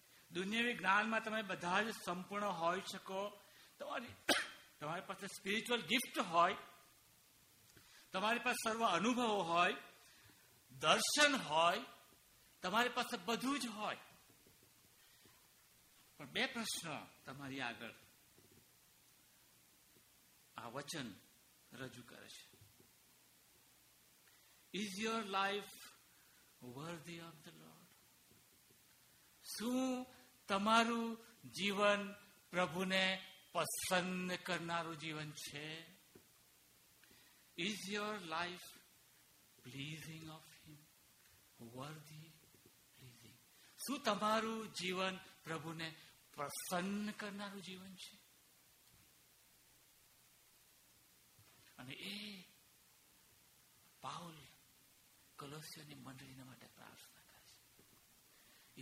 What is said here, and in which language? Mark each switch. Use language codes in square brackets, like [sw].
[gu] દુનિયાવી જ્ઞાનમાં તમે બધા જ સંપૂર્ણ હોઈ શકો, તમારી પાસે સ્પિરિચ્યુઅલ ગિફ્ટ હોય, તમારી પાસે સર્વ અનુભવો હોય, દર્શન હોય, તમારી પાસે બધું જ હોય, પણ બે પ્રશ્ન તમારી આગળ આ વચન રજૂ કરે છે. [en] Is your life worthy of the lord? [gu] શું તમારું જીવન પ્રભુને પસંદ કરનારું જીવન છે? [en] Is your life pleasing of him, worthy pleasing? [gu] શું તમારું જીવન પ્રભુને પ્રસન્ન કરનારું જીવન છે? અને એ પાઉલ કલો ઈશ્વરની મંડળીને માટે પ્રાર્થના કરે છે.